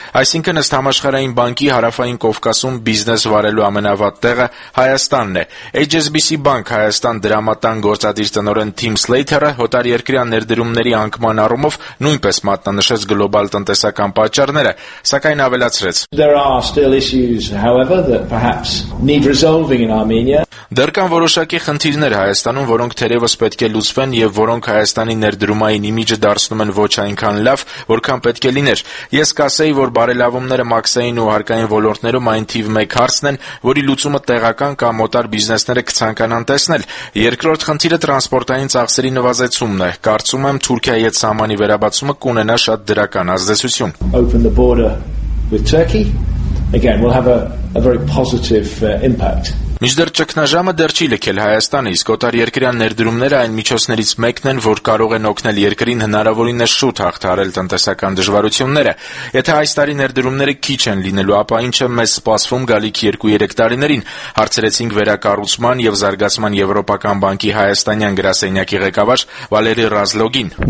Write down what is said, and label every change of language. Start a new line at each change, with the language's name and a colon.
Armenian: Այսինքն ըստ համաշխարհային բանկի Հարավային Կովկասում բիզնես վարելու ամենավատ տեղը Հայաստանն է։ HSBC Bank Հայաստան դրամատան գործադիր տնօրեն Tim Slater-ը օտարերկրյա ներդրումների անկման առումով նույնպես մատնանշեց գլոբալ տնտեսական պատճառները, սակայն ավելացրեց.
English: There are still issues, however, that perhaps need resolving in Armenia.
Armenian: Դեռ կան որոշակի խնդիրներ Հայաստանում, որոնք թերևս պետք է լուծվեն և որոնք Հայաստանի ներդրումային իմիջը դարձնում են ոչ այնքան լավ, որքան պետք է լիներ։ Ես կասեի, որ բարելավումները մաքսային ու հարկային ոլորտներում այն թիվ մեկ հարցն են, որի լուծումը տեղական կամ օտար բիզնեսները կցանկանան տեսնել։ Երկրորդ խնդիրը տրանսպորտային ծախսերի նվազեցումն է։ Կարծում եմ, Թուրքիայի հետ սահմանի վերաբացումը կունենա շատ դրական ազդեցություն։
English: Open the border with Turkey again will have a very positive impact.
Armenian: Միջդեռ ճգնաժամը դեռ չի լքել Հայաստանը, իսկ օտարերկրյա ներդրումները այն միջոցներից մեկն են, որ կարող են օգնել երկրին հնարավորինս շուտ հաղթահարել տնտեսական դժվարությունները։ Եթե այս տարի ներդրումները քիչ են լինելու, ապա ինչը մեզ սպասվում գալիք 2-3 տարիներին, հարցրեցինք վերակառուցման և զարգացման Եվրոպական բանկի հայաստանյան գրասենյակի ղեկավար Վալերի Ռազլոգին։